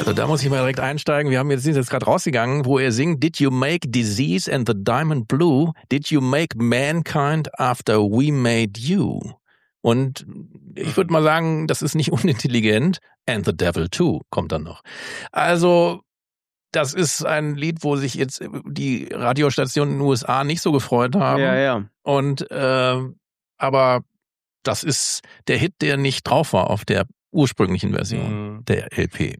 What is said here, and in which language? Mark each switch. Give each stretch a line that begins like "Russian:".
German: muss ich mal direkt einsteigen. Wir haben jetzt, sind jetzt gerade rausgegangen, wo er singt:
English: Did you make disease and the diamond blue? Did you make mankind after we made you?
German: Und ich würde mal sagen, das ist nicht unintelligent.
English: And the devil too
German: kommt dann noch. Also, das ist ein Lied, wo sich jetzt die Radiostationen in den USA nicht so gefreut haben. Ja, ja. Und, aber das ist der Hit, der nicht drauf war auf der ursprünglichen Version der LP.